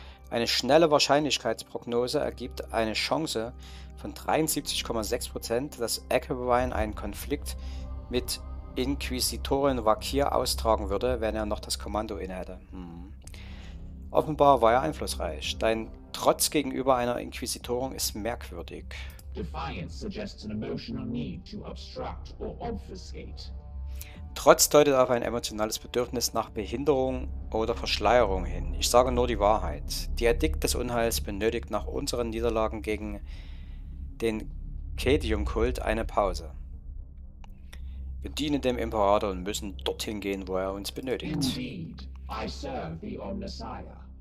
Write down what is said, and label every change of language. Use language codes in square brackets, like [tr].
[de] Eine schnelle Wahrscheinlichkeitsprognose ergibt eine Chance von 73,6%, dass Aquavine einen Konflikt mit Inquisitorin Vakir austragen würde, wenn er noch das Kommando innehätte. Offenbar war er einflussreich. Dein Trotz gegenüber einer Inquisitorin ist merkwürdig. [en] Defiance suggests an emotional need to obstruct or obfuscate. [de] Trotz deutet auf ein emotionales Bedürfnis nach Behinderung oder Verschleierung hin. Ich sage nur die Wahrheit. Die Edikt des Unheils benötigt nach unseren Niederlagen gegen den Caedium-Kult eine Pause. Wir dienen dem Imperator und müssen dorthin gehen, wo er uns benötigt. [en] Indeed, I serve the Omnissiah.